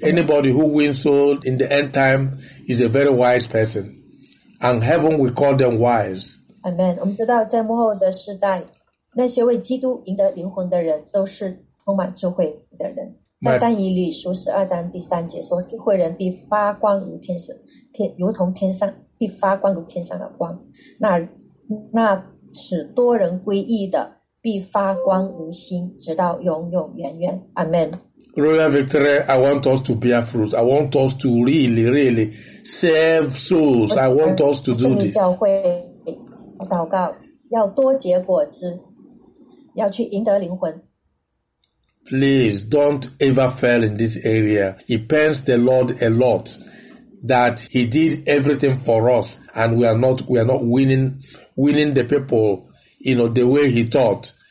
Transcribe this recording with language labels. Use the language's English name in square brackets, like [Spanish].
[English] Anybody who wins souls in the end time is a very wise person. And heaven will call them wise. Amen. [Chinese] 我们知道在幕后的时代，那些为基督赢得灵魂的人都是充满智慧的人。在但以理书12:3说，智慧人必发光如天上，如同天上必发光如天上的光。那使多人归义的必发光如星，直到永永远远。 [English] Amen. Royal Victory, I want us to bear fruit. I want us to really, really save souls. I want us to do this. [Chinese] 圣灵教会祷告要多结果子，要去赢得灵魂。 [English] Please don't ever fail in this area. It pains the Lord a lot that he did everything for us and we are not winning the people, you know, the way he taught.